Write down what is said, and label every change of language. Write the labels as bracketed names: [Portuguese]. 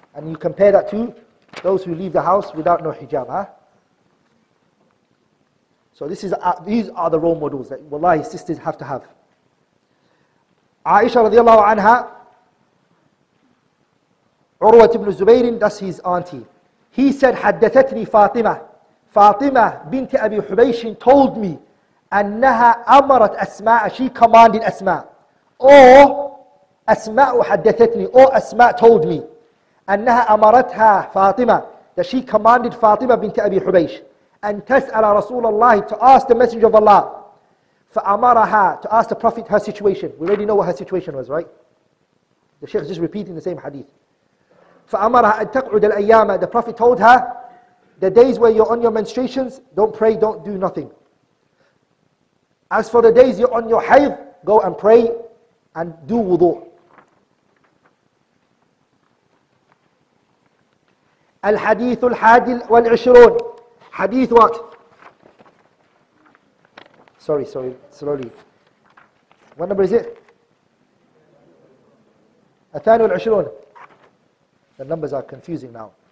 [English] And you compare that to those who leave the house without no hijab. Huh? So these are the role models that, wallahi, sisters have to have. Aisha radiallahu anha, Urwa ibn Zubayr, that's his auntie. He said, [Arabic] حدثتني فاطمة. فاطمة بنت أبي حبيش [English] told me, [Arabic] أنها أمرت أسماء, [English] she commanded [Arabic] أسماء. أسماء حدثتني, [English] or [Arabic] أسماء [English] told me, [Arabic] أنها أمرتها فاطمة, [English] that she commanded [Arabic] فاطمة بنت أبي حبيش, أن تسأل رسول الله, [English] to ask the messenger of Allah. [Arabic] فأمرها, [English] to ask the Prophet her situation. We already know what her situation was, right? The Shaykh is just repeating the same hadith. [Arabic] فأمرها أن تقعد الأيام. [English] The Prophet told her, the days where you're on your menstruations, don't pray, don't do nothing. As for the days you're on your hayd, go and pray and do wudu. [Arabic] الحديث الحادي والعشرون. حديث [English] what? Sorry, slowly. What number is it? [Arabic] الثاني والعشرون. [English] The numbers are confusing now.